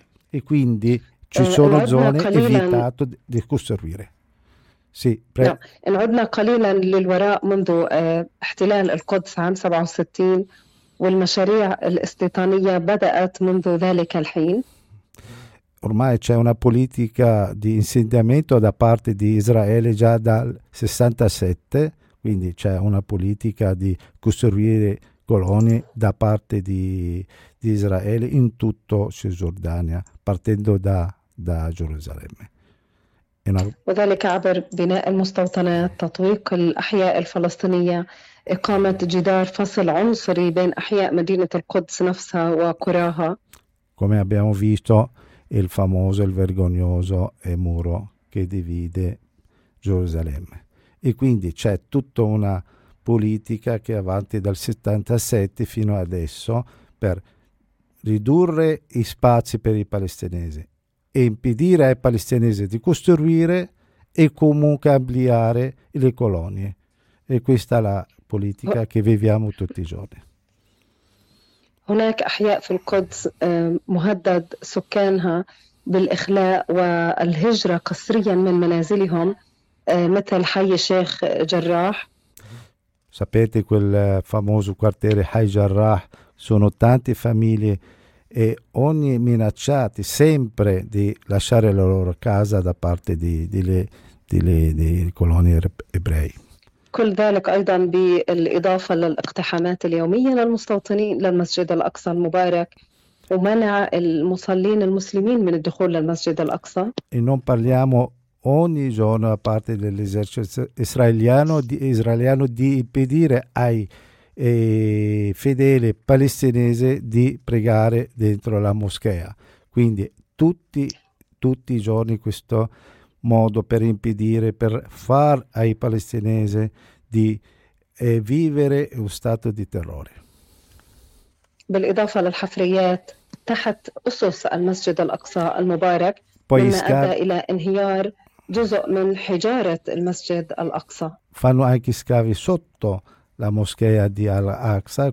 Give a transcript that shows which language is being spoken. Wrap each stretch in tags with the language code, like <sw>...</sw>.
<it>E quindi ci sono zone evitate di costruire. Sì,</it> <ar>نعودنا قليلا للوراء منذ احتلال القدس عام 67 والمشاريع الاستيطانية بدأت منذ ذلك الحين.</ar> <it>Ormai c'è una politica di insediamento da parte di Israele già dal 67, quindi c'è una politica di costruire colonie da parte di Israele in tutto Cisgiordania, partendo da Gerusalemme.</it> <ar>وذلك عبر بناء المستوطنات تطويق الأحياء الفلسطينية إقامة جدار فصل عنصري بين أحياء مدينة القدس نفسها وقراها</ar> <it>come abbiamo visto il famoso il vergognoso muro che divide Gerusalemme e quindi c'è tutta una politica che è avanti dal 77 fino adesso per ridurre i spazi per i palestinesi e impedire ai palestinesi di costruire e comunque ampliare le colonie. E questa è la politica che viviamo tutti i giorni.</it> <ar>هناك أحياء في القدس مهدد سكانها بالإخلاء والهجرة قسريا من منازلهم مثل حي الشيخ جراح.</ar> <it>Sapete quel famoso quartiere Hai Jarrah, sono tante famiglie e ogni minacciati sempre di lasciare la loro casa da parte di coloni ebrei.</it> <ar>كل ذلك أيضا بالإضافة للاقتحامات اليومية للمستوطنين للمسجد الأقصى المبارك ومنع المصلين المسلمين من الدخول للمسجد الأقصى.</ar> <it>E non parliamo ogni giorno da parte dell'esercito israeliano di impedire ai e fedele palestinese di pregare dentro la moschea. Quindi tutti i giorni questo modo per impedire, per far ai palestinesi di vivere un stato di terrore.</it> <ar>بالإضافة للحفريات تحت أسس المسجد الأقصى المبارك مما أدى إلى انهيار جزء من حجارة المسجد الأقصى.</ar> <it>Fanno anche scavi sotto la moschea di Al-Aqsa.</it>